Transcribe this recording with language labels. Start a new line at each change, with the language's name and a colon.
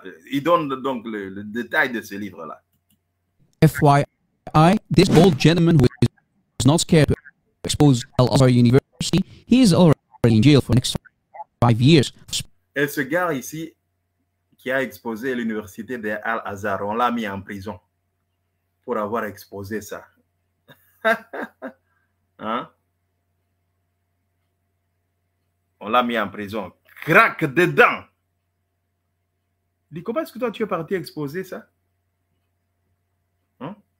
French: Il donne donc le détail de ce livre-là.
English: FYI, this bold gentleman who is not scared to expose Al-Azhar University, he is already in jail for the next 5 years.
French: Et ce gars ici qui a exposé l'université de Al-Azhar, on l'a mis en prison pour avoir exposé ça. Hein? On l'a mis en prison. Crac dedans. Dis, comment est-ce que toi tu es parti exposer ça? Hein?